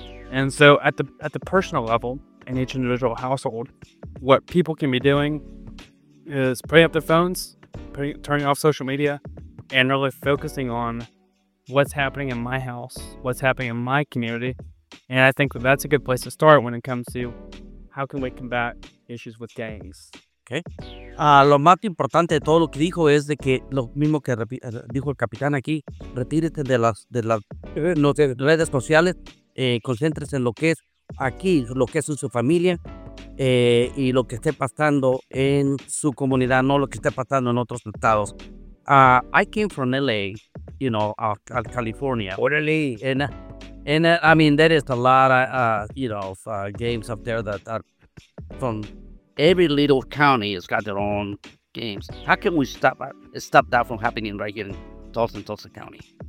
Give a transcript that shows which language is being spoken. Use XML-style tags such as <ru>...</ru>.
<en>And so at the personal level, in each individual household, what people can be doing is putting up their phones, turning off social media, and really focusing on what's happening in my house, what's happening in my community. And I think that that's a good place to start when it comes to how can we combat issues with gangs. Okay.</en> <es>Lo más importante de todo lo que dijo es de que lo mismo que dijo el capitán aquí, retírate de las redes sociales, concéntrese en lo que es aquí, lo que es en su familia y lo que esté pasando en su comunidad, no lo que esté pasando en otros estados.</es> <en>I came from LA, you know, California. Orderly. And I mean, there is a lot of, games up there that are from... Every little county has got their own games. How can we stop that from happening right here in Tulsa and Tulsa County?</en>